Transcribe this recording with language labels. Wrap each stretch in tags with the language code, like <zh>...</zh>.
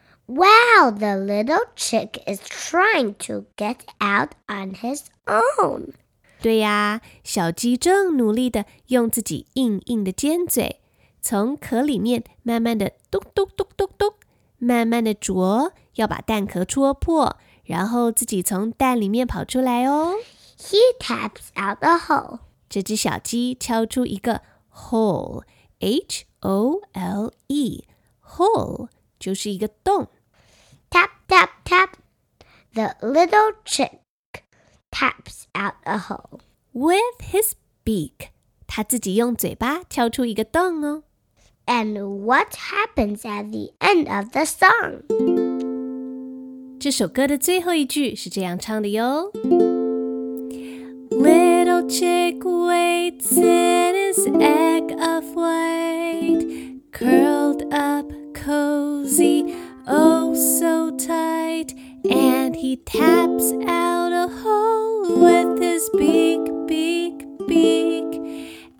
<en>Wow, the little chick is trying to get out on his own.</en> <zh>对呀，小鸡正努力地用自己硬硬的尖嘴从壳里面慢慢的咚咚咚咚咚，慢慢的啄，要把蛋壳戳破，然后自己从蛋里面跑出来哦。</zh> <en>He taps out a hole.</en> <zh>这只小鸡敲出一个 hole, H-O-L-E, hole 就是一个洞。</zh> <en>Tap tap tap, the little chick taps out a hole with his beak.</en> <zh>他自己用嘴巴敲出一个洞哦。</zh> <en>And what happens at the end of the song?</en> <zh>这首歌的最后一句是这样唱的哟。</zh> <en>Little chick waits in his egg of white, curled up cold. cozy, oh so tight. And he taps out a hole with his beak, beak, beak.</en>